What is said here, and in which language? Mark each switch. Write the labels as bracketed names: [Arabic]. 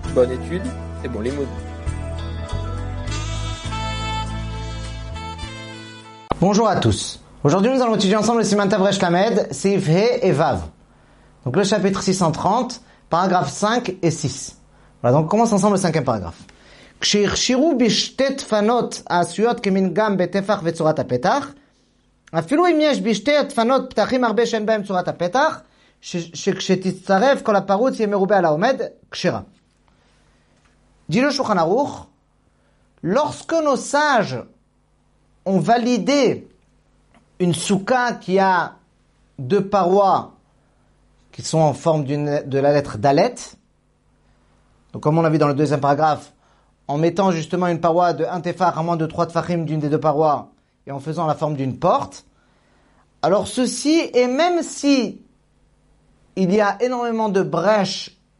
[French] Bonne étude et bon limoud. Bonjour à tous. Aujourd'hui, nous allons étudier ensemble le Siman Tav Resh Lamed, Seif He et Vav. Donc le chapitre 630, paragraphes 5 et 6. Voilà, donc on commence ensemble le cinquième paragraphe. [Hebrew] כשהכשירו בשתי דפנות העשויות כמין גם בטפח וצורת הפתח, אפילו אם יש בשתי הדפנות פתחים הרבה שאין בהם צורת הפתח, שכשתצטרף כל הפרוץ יהיה מרובה על העומד, כשרה. דינו שולחן ערוך, [French] lorsque nos sages ont validé une souka qui a deux parois qui sont en forme de la lettre dalet, donc comme on l'a vu dans le deuxième paragraphe, en mettant justement une paroi de un tefar à moins de trois tefachim d'une des deux parois et en faisant la forme d'une porte, alors ceci, et même si il y a énormément de brèches